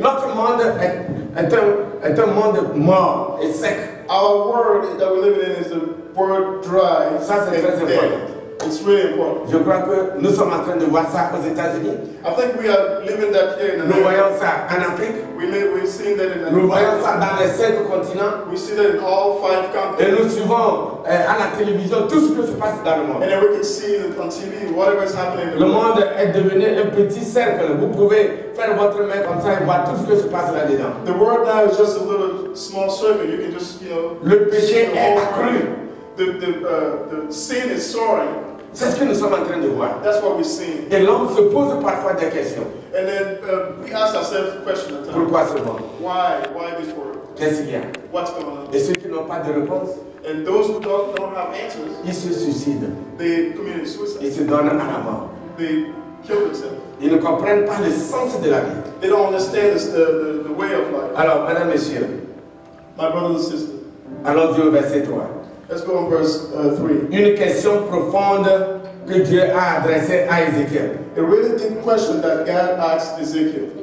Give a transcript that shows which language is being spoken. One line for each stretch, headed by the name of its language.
French: Notre monde est un monde mort et sec.
English: Our world that we live in is a world dry.
French: Ça, c'est très important.
English: It's really important.
French: Je crois que nous sommes en train de voir ça aux États-Unis.
English: I think we are living that here in America.
French: Nous voyons ça en Afrique.
English: We've seen that in
French: nous voyons ça dans les sept continents.
English: We see that in all five continents.
French: Et nous suivons à la télévision tout ce qui se passe dans le monde.
English: And then we can see it on TV, whatever is happening in the
French: le world. Le monde est devenu un petit cercle. Vous pouvez faire votre main comme ça et voir tout ce qui se passe là-dedans.
English: The world now is just a little small circle. You can just, you know.
French: Le péché est accru.
English: The sin is soaring.
French: C'est ce que nous sommes en train de voir.
English: That's what we see.
French: Et l'homme se pose parfois des questions.
English: And then we ask ourselves questions at times.
French: Pourquoi ce monde?
English: Why this world?
French: Qu'est-ce qu'il y a?
English: What's going on?
French: Et ceux qui n'ont pas de réponse?
English: And those who don't have answers.
French: Ils se suicident.
English: They commit suicide.
French: Ils se donnent à la mort.
English: They kill themselves.
French: Ils ne comprennent pas le sens de la vie.
English: They don't understand the way of life.
French: Alors, madame, monsieur.
English: My brothers and sisters.
French: Alors, Dieu, verset 3.
English: Let's go on verse 3.
French: Une question profonde que Dieu a adressée à Ézéchiel.
English: A really deep question that God asked Ezekiel.